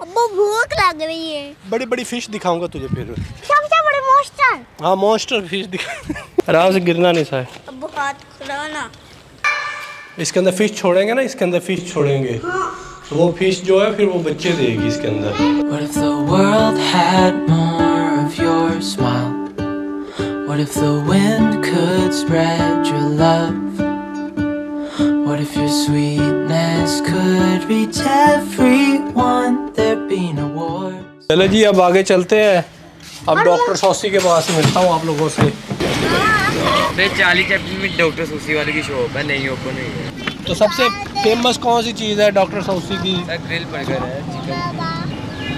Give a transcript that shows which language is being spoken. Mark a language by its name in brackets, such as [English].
[Hindi] अबू भूख लग रही है बड़ी बड़ी फिश दिखाऊंगा तुझे फिर चमचा बड़े मॉन्स्टर हाँ मॉन्स्टर फिश दिखा आराम से गिरना नहीं सर अबू हाथ खुला ना इसके अंदर फिश छोड़ेंगे ना इसके अंदर फिश छोड़ेंगे वो फिश जो है फिर वो बच्चे देगी इसके अंदर [English] What if the world had more of your smile? What if the wind could spread your love? What if your sweetness could reach everyone? There'd be no war. [Hindi] चलो जी अब आगे चलते हैं अब डॉक्टर सौसी के पास मिलता हूँ आप लोगों से चाली चैप्टर में डॉक्टर सौसी वाले की शॉप है नहीं ओपन हुई है तो सबसे फेमस कौन सी चीज़ है डॉक्टर सौसी की ग्रिल बर्गर है